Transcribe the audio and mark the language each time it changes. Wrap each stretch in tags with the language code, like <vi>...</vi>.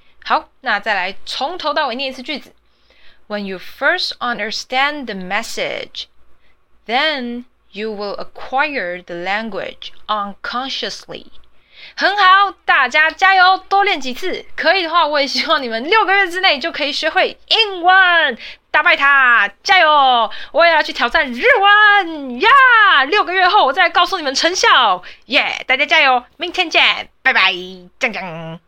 <zh>好，那再来从头到尾念一次句子。</zh> <en>When you first understand the message, then you will acquire the language unconsciously。</en> <zh>很好，大家加油，多练几次，可以的话我也希望你们六个月之内就可以学会英文，打败他，加油，我也要去挑战日文呀，六个月后我再告诉你们成效耶，大家加油，明天见，拜拜，讲讲。</zh>